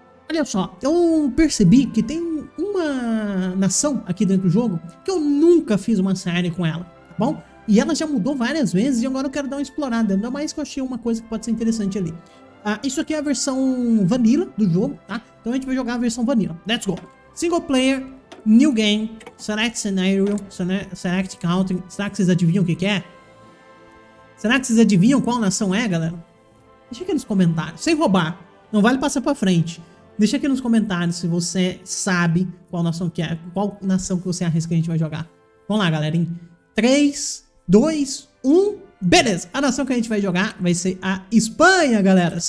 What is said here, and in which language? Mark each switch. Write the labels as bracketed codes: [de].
[pt] Olha só, eu percebi que tem uma nação aqui dentro do jogo que eu nunca fiz uma série com ela, tá bom? E ela já mudou várias vezes e agora eu quero dar uma explorada, ainda mais que eu achei uma coisa que pode ser interessante ali. Isso aqui é a versão vanilla do jogo, tá? Então a gente vai jogar a versão vanilla. [en] Let's go! Single player, new game, select scenario, select country. [pt] Será que vocês adivinham o que é? Será que vocês adivinham qual nação é, galera? Deixa aqui nos comentários, sem roubar. Não vale passar pra frente. Deixa aqui nos comentários se você sabe qual nação que é, qual nação que você arrisca que a gente vai jogar. Vamos lá, galera, em 3, 2, 1, beleza! A nação que a gente vai jogar vai ser a Espanha, galera.